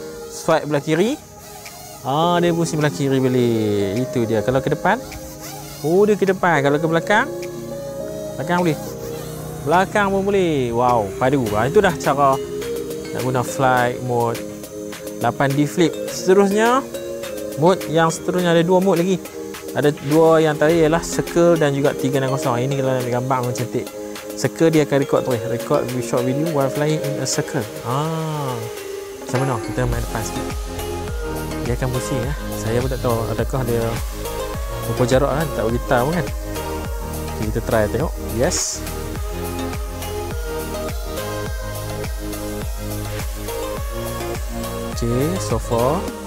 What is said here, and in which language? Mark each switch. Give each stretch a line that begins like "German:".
Malay: Swipe belah kiri. Dia pusing belah kiri balik. Itu dia. Kalau ke depan. Dia ke depan. Kalau ke belakang. Belakang boleh. Belakang pun boleh. Wow. Padu. Itu dah cara nak guna flight mode 8D flip. Seterusnya, mode yang seterusnya ada dua mode lagi. Ada dua yang tadi ialah circle dan juga 360. Ini kalau nak gambar memang cantik. Circle dia akan record terus.
English: Record short video while flying in a circle.
Malay: Macam mana? Kita main depan sikit. Dia akan pusing. Saya pun tak tahu adakah dia mempunyai jarak kan. Tak beritahu kan. Okay, kita try tengok. Yes.
English: Okay, so far.